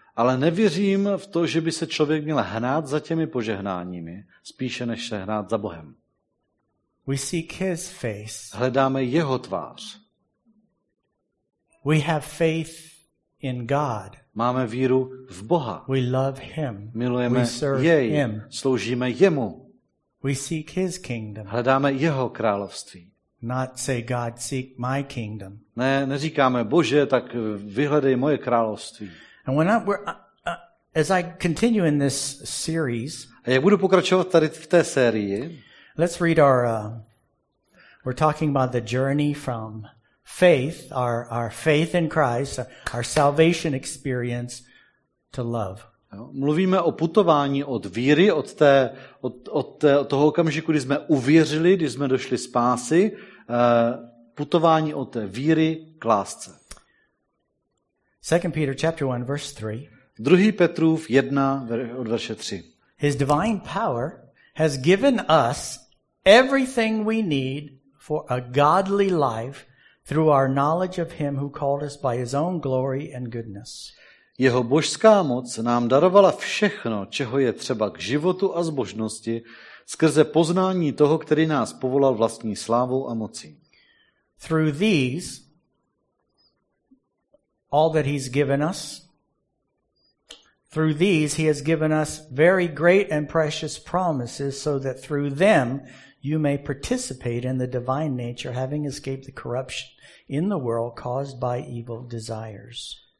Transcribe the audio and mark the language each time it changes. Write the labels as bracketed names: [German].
[Czech] Ale nevěřím v to, že by se člověk měl hnát za těmi požehnáními, spíše než se hnát za Bohem. [English] We seek his face. [Czech] Hledáme jeho tvář. [English] We have faith in God. [Czech] Máme víru v Boha. [English] We love him. [Czech] Milujeme [English] we serve [Czech] jej. [English] Him. [Czech] Sloužíme jemu. [English] We seek his kingdom. [Czech] Hledáme jeho království. [English] Not say God seek my kingdom. [Czech] Ne, neříkáme Bože, tak vyhledej moje království. [English] And when as I continue in this series, [Czech] a jak budu pokračovat tady v té sérii. [English] Let's read our we're talking about the journey from faith, our faith in Christ, our salvation experience to love. [Czech] Mluvíme o putování od víry, od toho okamžiku, kdy jsme uvěřili, kdy jsme došli spásy, putování od té víry k lásce. [English] 2 Peter chapter 1 verse 3. [Czech] 2. Petrův 1 od verše 3. [English] His divine power has given us everything we need for a godly life through our knowledge of him who called us by his own glory and goodness. [Czech] Jeho božská moc nám darovala všechno, čeho je třeba k životu a zbožnosti, skrze poznání toho, který nás povolal vlastní slávou a mocí. [English] Through these, all that he's given us, through these he has given us very great and precious promises, so that through them you may participate in the divine nature, having escaped the corruption in the world caused by evil desires.